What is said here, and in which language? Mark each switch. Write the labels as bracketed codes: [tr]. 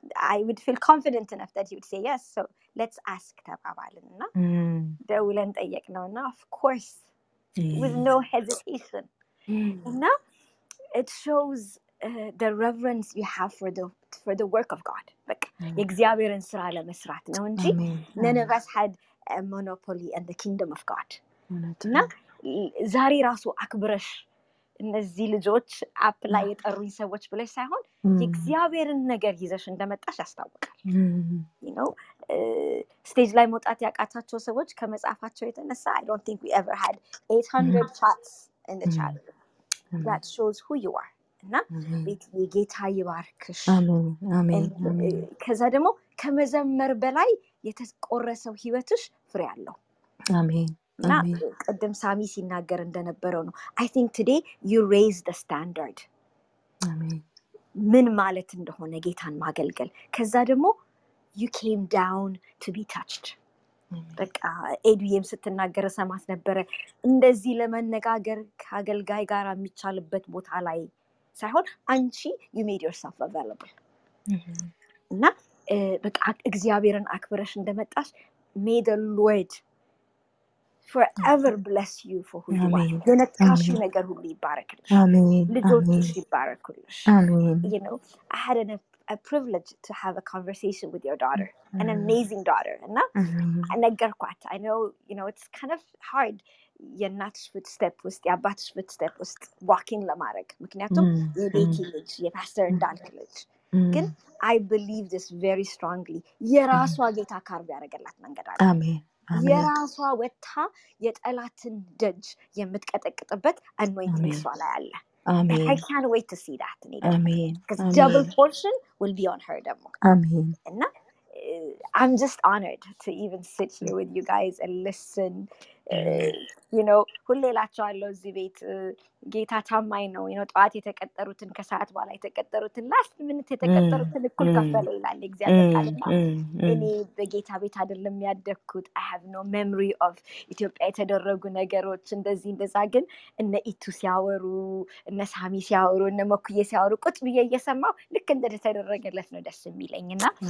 [en] አይ ውድ ፊል ኮንፊደንት ኢነፍ ዳት ሂ ውድ ሴ ይስ ሶ ሌትስ አስክ [am] ተባባልና ደውለን ጠየቅነውና [en] ኦፍ ኮርስ ዊዝ ኖ ሄዚቴሽን እና ኢት ሾውስ the reverence you have for the work of God. Like, [am] የእግዚአብሔርን ስራ ለመስራት ነው እንጂ [en] none of us had a monopoly in the kingdom of God. [am] እና ዛሬ ራሱ አክብረሽ እነዚህ ልጆች አፕላይ የጠሩኝ ሰዎች ብለሽ ሳይሆን የእግዚአብሔርን ነገር ይዘሽ እንደመጣሽ ያስታውቃል። You know, stage ላይ መውጣት ያቃታቸው ሰዎች ከመጻፋቸው የተነሳ [en] I don't think we ever had 800 chats in the chat. That shows who you are. [am] እና ቤት የጌታ ይባርክሽ። አሜን አሜን። ከዛ ደግሞ ከመዘመር በላይ የተቆረሰው ህይወትሽ ፍሬ አለው። አሜን አሜን። ቀደም ሳሚ ሲናገር እንደነበረው ነው [en] አይ ቲንክ ቱዴ ዩ ሬዝ ዘ ስታንዳርድ። [am] አሜን። ምን ማለት እንደሆነ ጌታን ማገልገል። ከዛ ደግሞ [en] ዩ ኬም ዳውን ቱ ቢ ታችድ። [am] በቃ ኤድዊየም ስትናገር ሰማት ነበረ እንደዚህ ለመነጋገር ከአገልጋይ ጋር የሚቻልበት ቦታ ላይ ሳይሆን አንቺ [en] you made yourself available. [am] እና በቃ እግዚአብሔርን አክብረሽ እንደመጣሽ [en] may the Lord forever bless you for who you are. [am] የነካሽ ነገር ሁሉ ይባረክልሽ። አሜን። ልጆችሽ ይባረክልሽ። አሜን። [en] You know, I had a privilege to have a conversation with your daughter, an amazing daughter. [am] እና ነገርኳት [en] I know, you know, it's kind of hard [am] የእናትሽ ፉትስቴፕ ውስጥ የአባትሽ ፉትስቴፕ ውስጥ ዋኪንግ ለማድረግ ምክንያቱም የቤቲ ልጅ የፓስተር እንዳልክ ልጅ ግን [en] አይ ብሊቭ ዲስ ቨሪ ስትሮንግሊ [am] የራሷ ጌታ ካርብ ያደረገላት መንገድ አለ። የራሷ ወታ የጠላትን ደጅ የምትቀጠቅጥበት አኖይንቲንግ እሷ ላይ አለ። አሜን። [en] I can't wait to see that. [am] አሜን። [en] Because double portion will be on her [am] ደግሞ። አሜን። [en] እና I'm just honored to even sit here with you guys and listen. [am] You know, ሁሌላቸዋለሁ እዚህ ቤት ጌታ ታማኝ ነው። ነው ጠዋት የተቀጠሩትን ከሰዓት በኋላ የተቀጠሩትን ላስት ምንት የተቀጠሩትን እኩል ከፈለ ይላል እግዚአብሔር። እኔ በጌታ ቤት አይደለም ያደግኩት። [en] አይ ሀቭ ኖ ሜሞሪ ኦፍ [am] ኢትዮጵያ የተደረጉ ነገሮች እንደዚህ እንደዛ። ግን እነ ኢቱ ሲያወሩ፣ እነ ሳሚ ሲያወሩ፣ እነ መኩዬ ሲያወሩ ቁጭ ብዬ እየሰማው ልክ እንደተደረገለት ነው ደስ የሚለኝ። እና